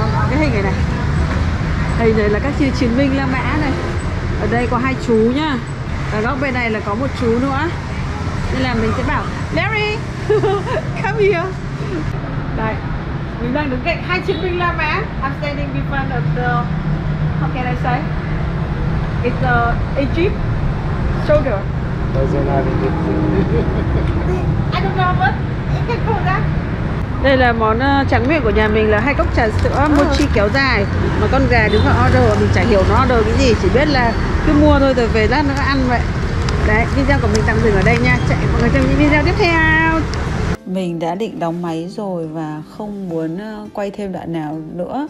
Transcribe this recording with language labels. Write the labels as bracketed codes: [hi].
[vi] Cái hình này này, hình này là các chiến binh La Mã này. Ở đây có hai chú nhá. Ở góc bên này là có một chú nữa. Nên là mình sẽ bảo Larry, [en] come here. [vi] Đây, mình đang đứng cạnh hai chiến binh La Mã. [en] I'm standing in front of the, how can I say? It's the Egypt soldier. I don't know what you can call that. [vi] Đây là món tráng miệng của nhà mình là hai cốc trà sữa mochi kéo dài. Mà con gà đứng vào order, mình chả hiểu nó order cái gì, chỉ biết là cứ mua thôi rồi về lát nữa ăn vậy. Đấy, video của mình tạm dừng ở đây nha, chạy mọi người trong những video tiếp theo. Mình đã định đóng máy rồi và không muốn quay thêm đoạn nào nữa.